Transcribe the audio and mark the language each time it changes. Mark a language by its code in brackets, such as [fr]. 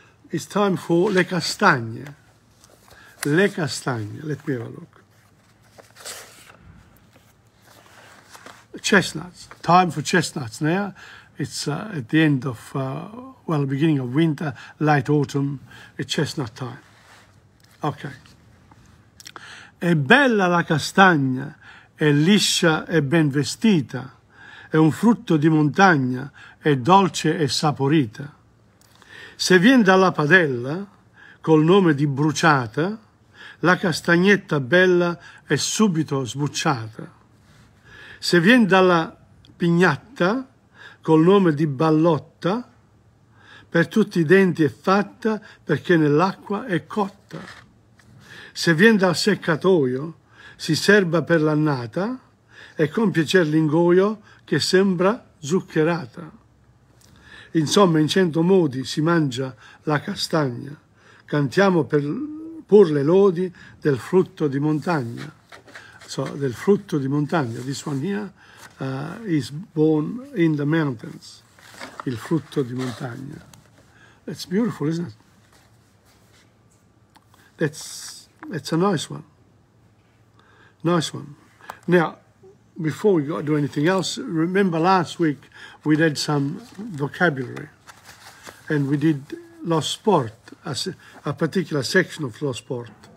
[en] It's time for Le castagne. Let me have a look. Chestnuts. Time for chestnuts now. It's at the end of, beginning of winter, late autumn, it's chestnut time. Okay. [it] È bella la castagna, è liscia e ben vestita, è un frutto di montagna, è dolce e saporita. Se viene dalla padella, col nome di bruciata, la castagnetta bella è subito sbucciata. Se viene dalla pignatta, col nome di ballotta, per tutti i denti è fatta perché nell'acqua è cotta. Se viene dal seccatoio, si serba per l'annata, e con piacere l'ingoio che sembra zuccherata. Insomma, in 100 modi si mangia la castagna. Cantiamo pur le lodi del frutto di montagna. So, del frutto di montagna. [en] This one here is born in the mountains. [it] Il frutto di montagna. [en] It's beautiful, isn't it? It's a nice one. Now, before we go do anything else, remember last week we did some vocabulary and we did Lo Sport, a particular section of Lo Sport.